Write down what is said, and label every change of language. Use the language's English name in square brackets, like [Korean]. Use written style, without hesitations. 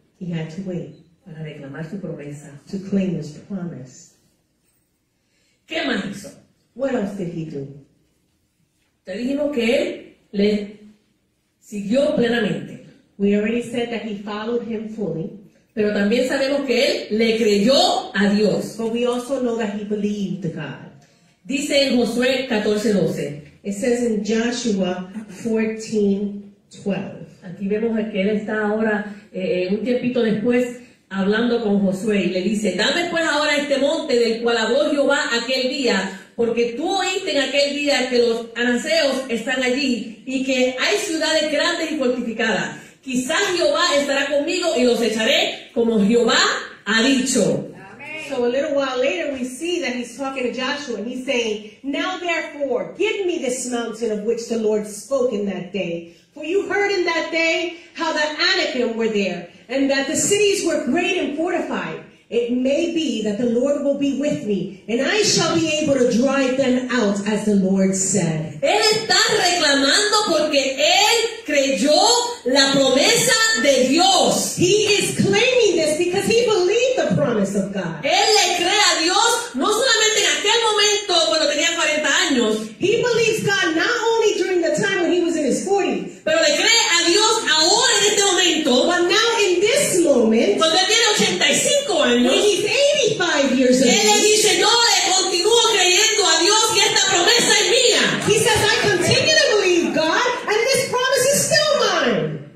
[English] He had to wait. [Spanish] Para reclamar su promesa. [English] To claim his promise. [Spanish] ¿Qué más hizo? [English] What else did he do? [Spanish] Te dijimos que él le siguió plenamente. [English] We already said that he followed him fully. [Spanish] Pero también sabemos que él le creyó a Dios. [English] But we also know that he believed God. [Spanish] Dice en Josué 14:12. [English] It says in Joshua 14:12. [Spanish] Aquí vemos que él está ahora, un tiempito después, hablando con Josué. Y le dice, dame pues ahora este monte del cual habló Jehová aquel día. Porque tú oíste en aquel día que los ananeos están allí y que hay ciudades grandes y fortificadas. Quizás Jehová estará conmigo y los echaré como Jehová ha dicho. Amen. [English] So a little while later we see that he's talking to Joshua and he's saying, now therefore, give me this mountain of which the Lord spoke in that day. For you heard in that day how the Anakim were there and that the cities were great and fortified. It may be that the Lord will be with me and I shall be able to drive them out as the Lord said. [Spanish] Él está reclamando porque él creyó la promesa de Dios. [English] He is claiming this because he believed the promise of God. [Spanish] Él le cree a Dios no solamente en aquel momento cuando tenía 40 años. [English] He believes God not only during the time when he was in his 40s. [Spanish] Pero le cree a Dios ahora en este momento. [English] But now in this moment. [Spanish] Cuando él tiene 85 años. [English] When he's 85 years old. [Spanish] Él le dice, yo le continúo creyendo a Dios y esta promesa es mía. [English] He says, I continue to believe God and this promise is still mine.